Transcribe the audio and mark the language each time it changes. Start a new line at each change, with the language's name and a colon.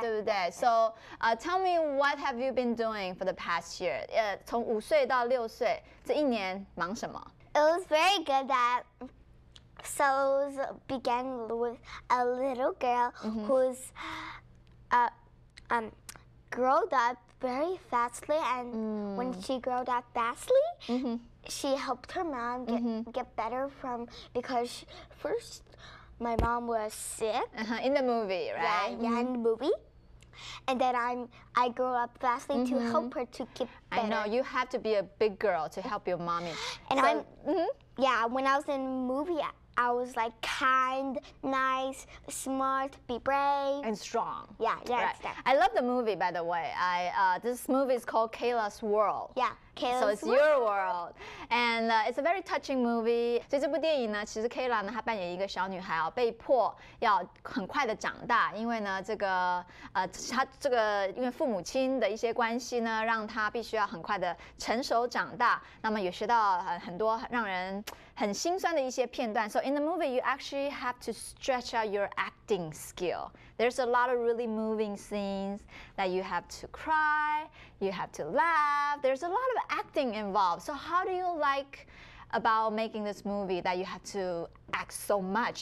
Chinese: 对不对
English: So, tell me what have you been doing for the past year?
Chinese: 从五岁到六岁这一年忙什么
English: It was very good that so began with a little girl、mm-hmm. who's growed up very fastly and、mm. when she growed up fastly、mm-hmm. She helped her mom get,、mm-hmm. get better from, because she, first my mom was sick.、 Uh-huh, in the movie, right? Yeah, yeah、mm-hmm. in the movie. And then I grew up fastly、mm-hmm. to help her to get better. I know, you have to be a big girl to help your mommy. And so, I'm,、mm-hmm. yeah, when I was in the movie, I was like kind, nice, smart, be brave. And strong. Yeah, yeah,、right. I love the movie, by the way. I,、this movie is called Kayla's World. Yeah. Kayla's、so it's your world, and、it's a very touching movie.
Chinese: 所以这部电影呢，其实 Kayla 呢，她扮演一个小女孩啊、哦，被迫要很快的长大，因为呢，这个她这个因为父母亲的一些关系呢，让她必须要很快的成熟长大。那么也学到很多让人很心酸的一些片段。
English: So in the movie, you actually have to stretch out your acting skill. There's a lot of really moving scenes that you have to cry, you have to laugh. There's a lot of acting involved. So how do you like about making this movie that you have to act so much?